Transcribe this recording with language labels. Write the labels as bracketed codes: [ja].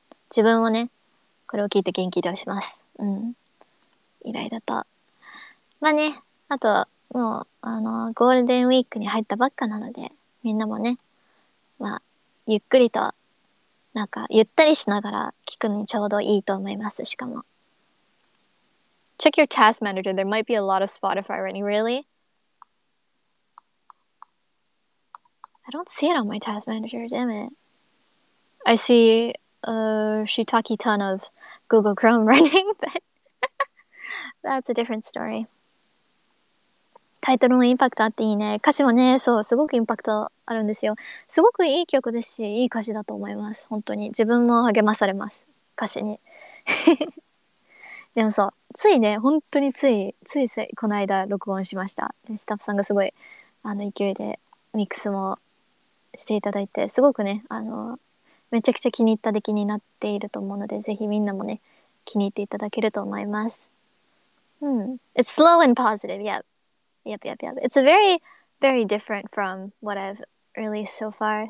[ja] 自分もね、これを聴いて元気出します。イライラと。まあね、あと、もう、ゴールデンウィークに入ったばっかなので、みんなもね、まあ、ゆっくりと、なんか、ゆったりしながら聞くのにちょうどいいと思います、しかも。 [en] Check your task manager. There might be a lot of Spotify running, really? I don't see it on my task manager, damn it. I see a shiitake ton of Google Chrome running, but that's a different story. [ja] タイトルもインパクトあっていいね。歌詞もね、そう、すごくインパクトあるんですよ。すごくいい曲ですし、いい歌詞だと思います。本当に。自分も励まされます。歌詞に。でもそう、ついね、本当についついこの間録音しました。でスタッフさんがすごいあの勢いでミックスもしていただいて、すごくね、あのめちゃくちゃ気に入った出来になっていると思うので、ぜひみんなもね気に入っていただけると思います。 [en] うん、It's slow and positive. Yep. Yep. Yep. Yep. It's very, very different from what I've released so far.